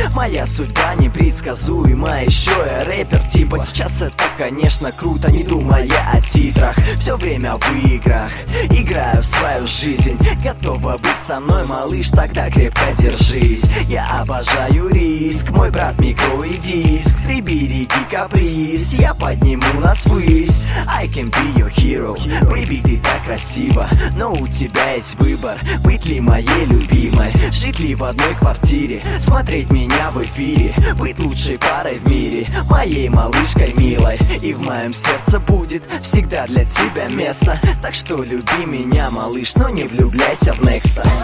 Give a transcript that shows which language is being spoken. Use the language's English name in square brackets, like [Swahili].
[Russian] Моя судьба непредсказуема, еще я рэпер типа. Сейчас это, конечно, круто, не думая о титрах. Все время в играх, играю в свою жизнь. Готова быть со мной, малыш, тогда крепко держись. Я обожаю риск, мой брат микро и диск. Прибереги каприз, я подниму нас ввысь. [English] I can be your hero, baby, [Russian] ты так красиво. Но у тебя есть выбор, быть ли моей любимой. Жить ли в одной квартире, смотреть меня в эфире. Быть лучшей парой в мире, моей малышкой милой. И в моем сердце будет всегда для тебя место. Так что люби меня, малыш, но не влюбляйся в Некста.